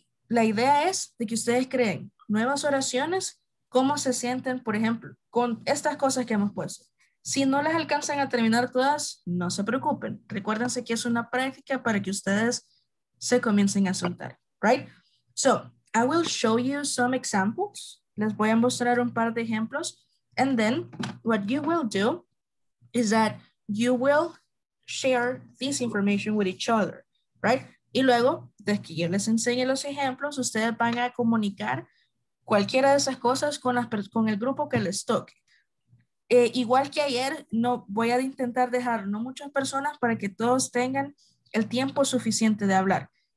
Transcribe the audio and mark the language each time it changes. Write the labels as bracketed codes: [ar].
[es] La idea es de que ustedes creen nuevas oraciones, cómo se sienten, por ejemplo, con estas cosas que hemos puesto. Si no las alcanzan a terminar todas, no se preocupen. Recuérdense que es una práctica para que ustedes se comiencen a soltar. Right? [en] So, I will show you some examples. [es] Les voy a mostrar un par de ejemplos. [en] And then what you will do is that you will share this information with each other, right? [es] Y luego, desde que yo les enseñe los ejemplos, ustedes van a comunicar cualquiera de esas cosas con el grupo que les toque. Igual que ayer, no voy a intentar dejar no muchas personas para que todos tengan el tiempo suficiente de hablar.